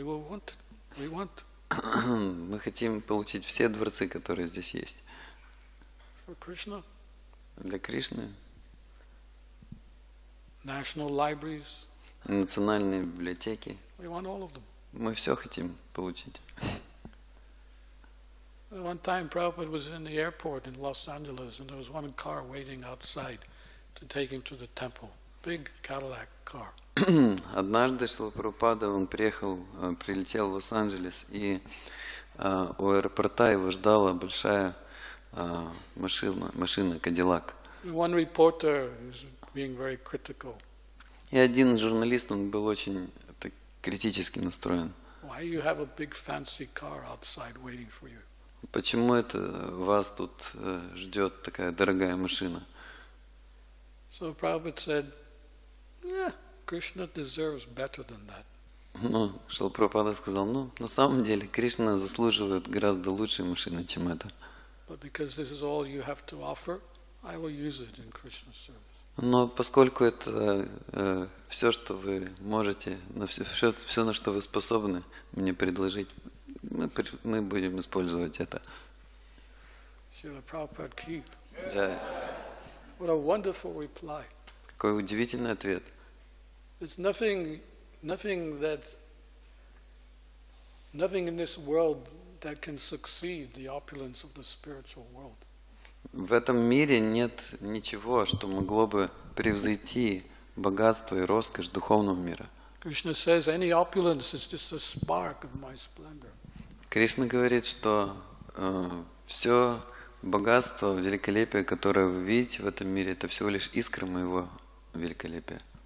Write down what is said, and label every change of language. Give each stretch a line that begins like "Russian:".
English: We want.
Russian: Мы хотим получить все дворцы, которые здесь есть.
English: For Krishna.
Russian: Для Кришны.
English: National libraries.
Russian: Национальные библиотеки.
English: We want all of them.
Russian: Мы все хотим получить.
English: One time Prabhupada was in the airport in Los Angeles and there was one car waiting outside to take him to the temple. Big Cadillac car.
Russian: Однажды Шрила Прабхупада, он приехал, прилетел в Лос-Анджелес, и у аэропорта его ждала большая машина, Кадиллак.
English: One reporter is being very critical.
Russian: И один журналист, он был очень критически настроен.
English: Why you have a big fancy car outside waiting for you?
Russian: Почему это вас тут ждет такая дорогая машина?
English: So Prabhupada said, Krishna deserves better than that.
Russian: Ну, Шрила Прабхупада сказал, на самом деле Кришна заслуживает гораздо лучшей машины, чем это.
English: But because this is all you have to offer, I will use it in Krishna's service.
Russian: Но поскольку это все, что вы можете, все, на что вы способны мне предложить, мы будем использовать это.
Hindi: Srila Prabhupada ki. Jai.
English: What a wonderful reply.
Russian: Какой удивительный ответ.
English: There's nothing in this world that can succeed the opulence of the spiritual world.
Russian: В этом мире нет ничего, что могло бы превзойти богатство и роскошь духовного мира.
English: Krishna says, any opulence is just a spark of my splendor.
Russian: Кришна говорит, что все богатство, великолепие, которое вы видите в этом мире, это всего лишь искра моего великолепия.